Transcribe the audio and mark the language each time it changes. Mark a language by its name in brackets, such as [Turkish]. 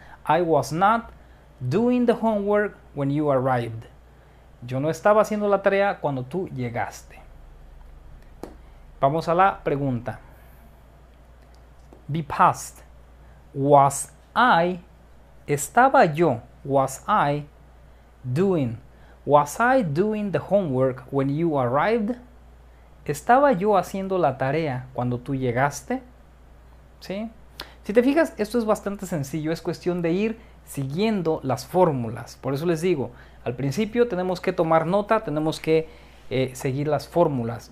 [English] I was not doing the homework when you arrived. [Spanish] Yo no estaba haciendo la tarea cuando tú llegaste. Vamos a la pregunta. [English] Be past. Was I, [Spanish] estaba yo, [English] was I doing, was I doing the homework when you arrived? [Spanish] ¿Estaba yo haciendo la tarea cuando tú llegaste? ¿Sí? Si te fijas, esto es bastante sencillo, es cuestión de ir siguiendo las fórmulas. Por eso les digo, al principio tenemos que tomar nota, tenemos que seguir las fórmulas.